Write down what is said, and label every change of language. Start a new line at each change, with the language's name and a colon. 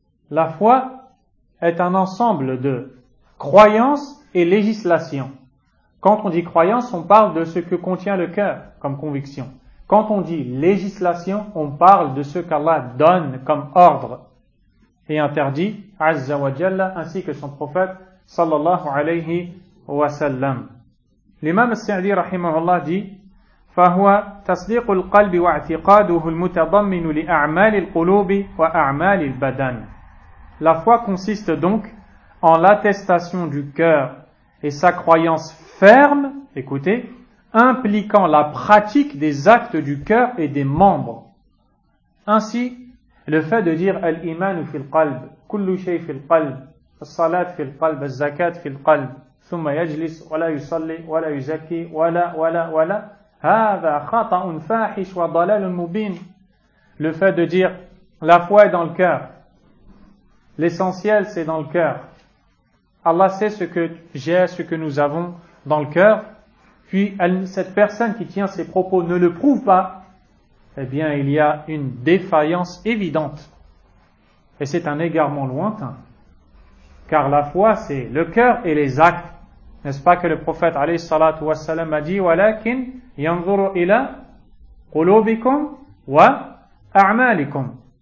French: La foi est un ensemble de croyances et législations. Quand on dit croyance, on parle de ce que contient le cœur comme conviction. Quand on dit législation, on parle de ce qu'Allah donne comme ordre et interdit, Azza wa Jalla, ainsi que son prophète,
Arabic: sallallahu aleyhi ve sellem. İmam-ı Sa'di rahimahullah di, فهو تصديق القلب واعتقاده المتضمن لأعمال القلوب وأعمال البدن.
French: La foi consiste donc en l'attestation du cœur et sa croyance ferme, écoutez, impliquant la pratique des actes du cœur et des membres. Ainsi, le fait de dire
Arabic: al-iman fi al-qalb, kullu shay fi al-qalb, as-salat fi al-qalb, az-zakat fi al-qalb, thumma yajlis wa la yusalli wa la yuzakki wa la هذا خطا فاحش وضلال مبين.
French: Le fait de dire la foi est dans le cœur, l'essentiel c'est dans le cœur, Allah sait ce que j'ai, ce que nous avons dans le cœur, puis cette personne qui tient ces propos ne le prouve pas, eh bien il y a une défaillance évidente et c'est un égarement lointain, car la foi c'est le cœur et les actes. N'est-ce pas que le prophète عليه الصلاة والسلام a dit
Arabic: ولكن ينظر إلى قلوبكم وأعمالكم.